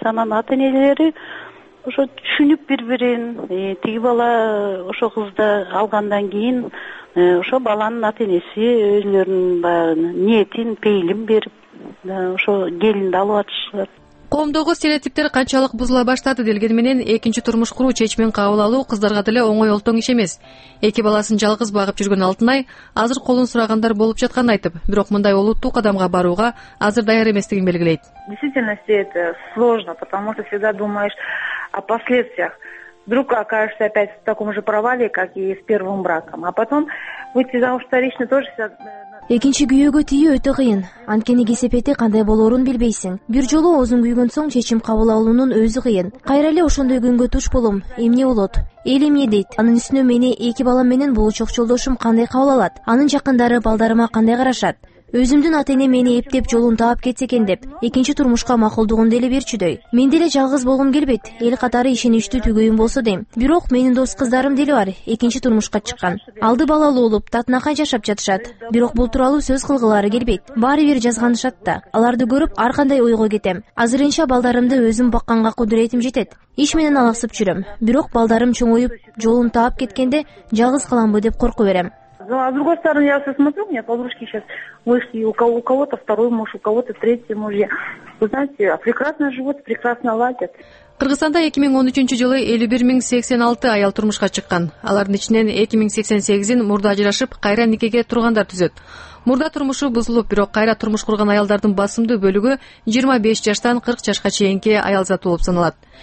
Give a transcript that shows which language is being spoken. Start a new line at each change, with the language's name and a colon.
Kyrgyz: Анан ата энелери ошо түшүнүп бири бирин, тиги бала ошо кызды алгандан кийин ошо баланын ата энеси өзүлөрүнүн баягы ниетин, пейилин берип ошо келинди алып атышат. Коомдогу стереотиптер канчалык бузула баштады делген менен, экинчи турмуш куруу чечимин кабыл алуу кыздарга деле оңой олтоң иш эмес. Эки баласын жалгыз багып жүргөн Алтынай азыр колун сурагандар болуп жатканын айтып, бирок мындай олуттуу кадамга барууга азыр даяр эместигин белгилейт.
Russian: Действительно, это сложно, потому что всегда думаешь о последствиях. Вдруг окажешься опять в таком же провале, как и с первым браком. А потом выйти замуж вторично тоже...
Kyrgyz: Экинчи күйөөгө тийүү өтө кыйын. Анткени кесепети кандай болорун билбейсиң. Бир жолу оозуң күйгөн соң чечим кабыл алуунун өзү кыйын. Кайра эле ошондой күнгө туш болом, эмне болот? Эл эмне дейт? Анын үстүнө мени эки балам менен болочок жолдошум кандай кабыл алат? Анын жакындары балдарыма кандай карашат? Өзүмдүн ата энем мени эптеп жолун таап кетсе экен деп, экинчи турмушка макулдугун деле берчүдөй. Мен деле жалгыз болгум келбейт, эл катары ишеничтүү түгөйүм болсо дейм. Бирок менин дос кыздарым деле бар, экинчи турмушка чыккан. Алды балалуу болуп, татынакай жашап жатышат. Бирок бул тууралуу сөз кылгылары келбейт. Баары бир жазганышат да. Аларды көрүп, ар кандай ойго кетем. Азырынча балдарымды өзүм бакканга кудуретим жетет. Иш менен алаксып жүрөм. Бирок балдарым чоңоюп, жолун таап кеткенде жалгыз каламбы деп коркуп берем.
Russian: Ну, а с другой стороны, я смотрю, у меня подружки сейчас вышли, у кого-то второй муж, у кого-то третий муж. Вы знаете, прекрасно живут, прекрасно ладят.
Kyrgyz: Кыргызстанда 2013 жылы 51086 аял турмушка чыккан. Алардын ичинен 2088 мурда ажырашып, кайра никеге тургандар түзөт. Мурда турмушу бузулуп, бирок кайра турмуш курган аялдардын басымдуу бөлүгү 25 жаштан 40 жашка чейинки аял заты болуп саналат.